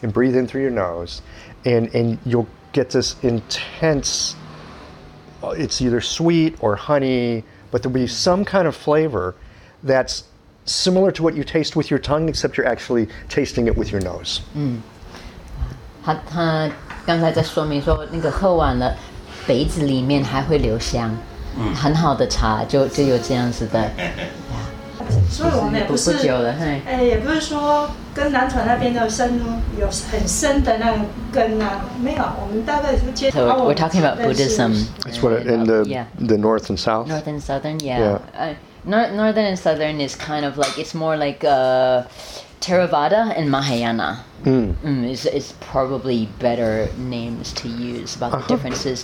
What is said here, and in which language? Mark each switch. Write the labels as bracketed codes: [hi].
[en] and breathe in through your nose, and you'll get this intense, it's either sweet or honey, but there'll be some kind of flavor that's similar to what you taste with your tongue, except you're actually tasting it with your nose. [zh] 他刚才在说明说那个喝完了杯子里面还会留香，很好的茶就有这样子的。所以我们也不是，不久了，哎，也不是说跟南传那边的深有很深的那个根啊，没有，我们大概就接触。 [en] So we're talking about Buddhism. That's what in the、 yeah. the north and south. North and southern, yeah. yeah. Northern and southern is kind of like it's more like、Theravada and Mahayana. Is probably better names to use about the、uh-huh. differences.